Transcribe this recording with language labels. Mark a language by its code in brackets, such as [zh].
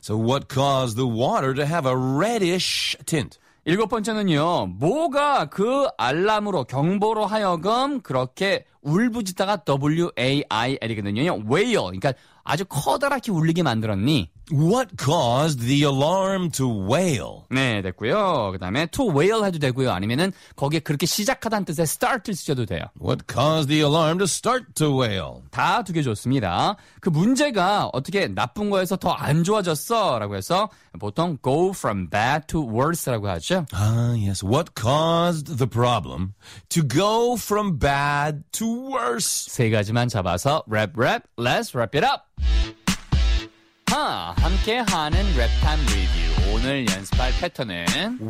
[en] So what caused the water to have a reddish tint? [ko] 일곱 번째는요. 뭐가 그 알람으로 경보로 하여금 그렇게 울부짖다가 WAIL이거든요. [en] Wail. [ko] 그러니까 아주 커다랗게 울리게 만들었니? [en] What caused the alarm to wail? [ko] 네, 됐고요. 그 다음에 to wail 해도 되고요. 아니면은 거기에 그렇게 시작하다는 뜻의 start을 쓰셔도 돼요. [en] What caused the alarm to start to wail? [ko] 다 두 개 좋습니다. 그 문제가 어떻게 나쁜 거에서 더 안 좋아졌어? 라고 해서 보통 [en] go from bad to worse [ko] 라고 하죠. [en] Yes. What caused the problem to go from bad to worse? [ko] 세 가지만 잡아서 [en] wrap, wrap, let's wrap it up. [ko] 함께하는 랩타임 리뷰. 오늘 연습할 패턴은